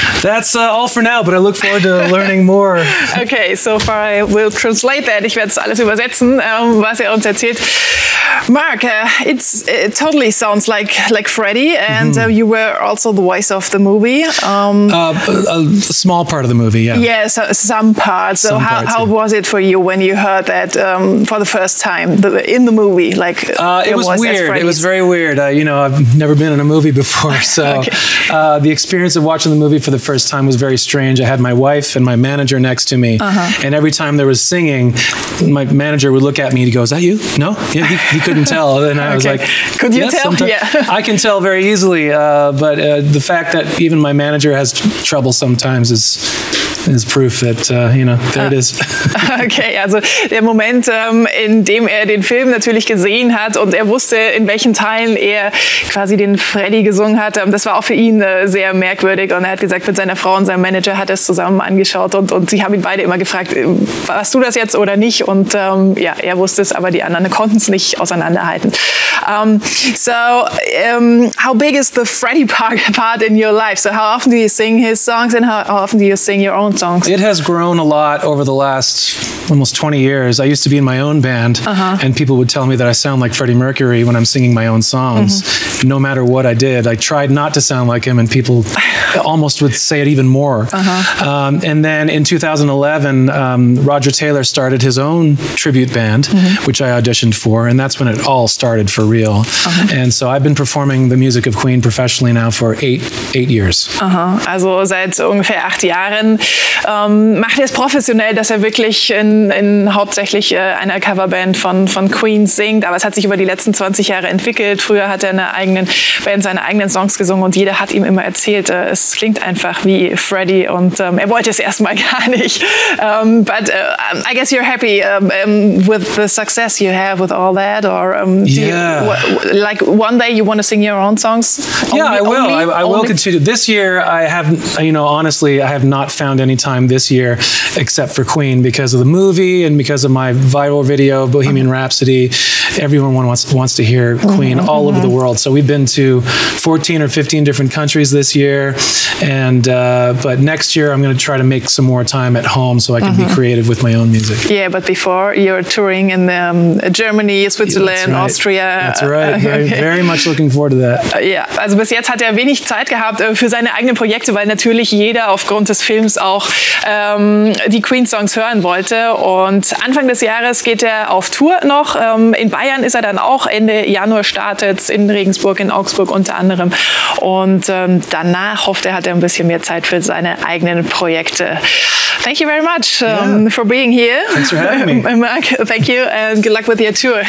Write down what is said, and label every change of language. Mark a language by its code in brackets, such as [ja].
[en] That's all for now, but I look forward to learning more. Okay, so far I will translate that. [de] Ich werde es alles übersetzen, was er uns erzählt. [en] Marc, it totally sounds like Freddie, and you were also the voice of the movie. A small part of the movie, yeah. Yeah, so, some parts. So how was it for you when you heard that for the first time in the movie? Like It was weird. It was very weird. You know, I've never been in a movie before, so okay. The experience of watching the movie for the first time was very strange. I had my wife and my manager next to me, and every time there was singing, my manager would look at me and he goes, "Is that you? No? Yeah." He couldn't tell, and I was like, "Could you tell?" Sometimes. Yeah, I can tell very easily, but the fact that even my manager has trouble sometimes is is proof that, you know, there it is. [de] Okay, also der Moment, in dem er den Film natürlich gesehen hat und er wusste, in welchen Teilen er quasi den Freddy gesungen hatte, das war auch für ihn sehr merkwürdig. Und er hat gesagt, mit seiner Frau und seinem Manager hat er es zusammen angeschaut und sie haben ihn beide immer gefragt, warst du das jetzt oder nicht? Und ja, er wusste es, aber die anderen konnten es nicht auseinanderhalten. [en] How big is the Freddy part in your life? So how often do you sing his songs and how often do you sing your own songs? It has grown a lot over the last almost 20 years. I used to be in my own band and people would tell me that I sound like Freddie Mercury when I'm singing my own songs. Mm-hmm. No matter what I did, I tried not to sound like him and people almost would say it even more. And then in 2011, Roger Taylor started his own tribute band, which I auditioned for, and that's when it all started for real. And so I've been performing the music of Queen professionally now for eight years. [de] Also seit ungefähr 8 Jahren macht er es professionell, dass er wirklich in hauptsächlich einer Coverband von Queen singt. Aber es hat sich über die letzten 20 Jahre entwickelt. Früher hat er eine eigenen Band, seine eigenen Songs gesungen und jeder hat ihm immer erzählt, es klingt einfach wie Freddy und er wollte es erstmal gar nicht. [en] I guess you're happy with the success you have with all that, or one day you want to sing your own songs? Yeah, I will continue. This year, I have, you know, honestly, I have not found any time this year except for Queen because of the movie and because of my viral video, Bohemian Rhapsody. Everyone wants to hear Queen all over the world. So we've been to 14 or 15 different countries this year. And but next year, I'm going to try to make some more time at home so I can be creative with my own music. Yeah, but before, you're touring in Germany, Switzerland, Austria. That's right. Very much looking forward to that. [de] Yeah, also bis jetzt hat er wenig Zeit gehabt für seine eigenen Projekte, weil natürlich jeder aufgrund des Films auch die Queen-Songs hören wollte. Und Anfang des Jahres geht er auf Tour noch. In Bayern ist er dann auch. Ende Januar startet es in Regensburg, in Augsburg unter anderem. Und danach hofft er, hat er ein bisschen mehr Zeit für seine eigenen Projekte. [en] Thank you very much for being here. Thanks for having me. Marc, thank you and good luck with your tour.